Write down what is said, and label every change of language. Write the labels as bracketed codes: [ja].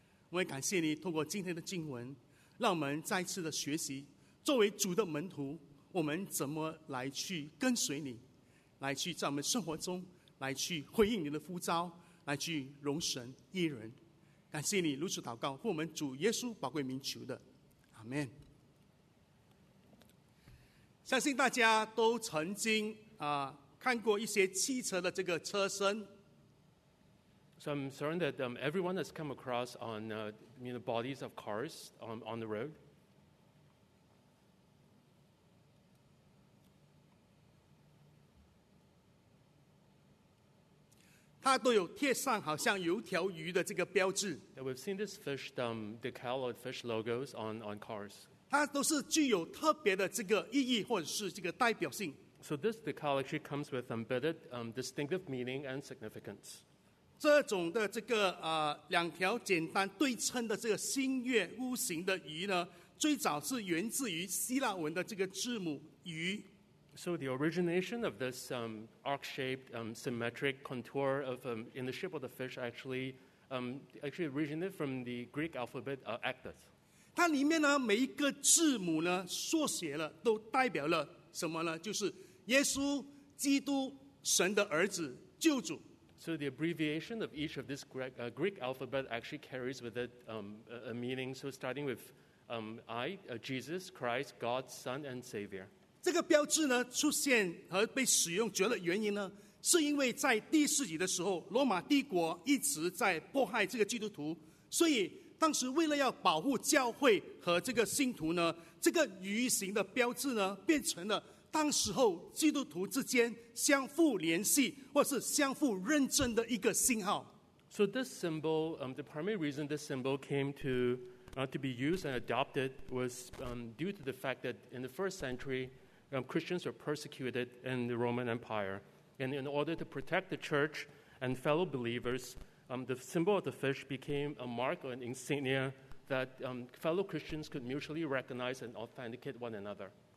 [zh] 我也感谢你通过今天的经文，让我们再次的学习，作为主的门徒，我们怎么来去跟随你，来去在我们生活中来去回应你的呼召，来去荣神益人。感谢你如此祷告，奉我们主耶稣宝贵名求的，阿们。相信大家都曾经看过一些汽车的这个车身。 [en] So I'm certain that everyone has come across on bodies of cars on the road. [zh] 它都有贴上好像有条鱼的这个标志。 [en] Yeah, we've seen this fish decal or fish logos on cars. [zh] 它都是具有特别的这个意义或者是这个代表性。 [en] So this decal actually comes with embedded distinctive meaning and significance. [zh] 这种的这个两条简单对称的这个新月屋形的鱼呢，最早是源自于希腊文的这个字母鱼。 [en] So the origination of this arc-shaped symmetric contour of in the shape of the fish actually originated from the Greek alphabet actus. [zh] 它里面呢每一个字母呢缩写了都代表了什么呢？就是耶稣基督神的儿子救主。 [en] So the abbreviation of each of this Greek alphabet actually carries with it a meaning. So starting with Jesus Christ, God's Son and Savior. 这个标志呢出现和被使用主要的原因呢，是因为在第一世纪的时候，罗马帝国一直在迫害这个基督徒，所以当时为了要保护教会和这个信徒呢，这个鱼形的标志呢变成了当时候基督徒之间相互联系或是相互认证的一个信号。 So this symbol, the primary reason this symbol came to to be used and adopted was due to the fact that in the first century, Christians were persecuted in the Roman Empire. And in order to protect the church and fellow believers, the symbol of the fish became a mark or an insignia that fellow Christians could mutually recognize and authenticate one another.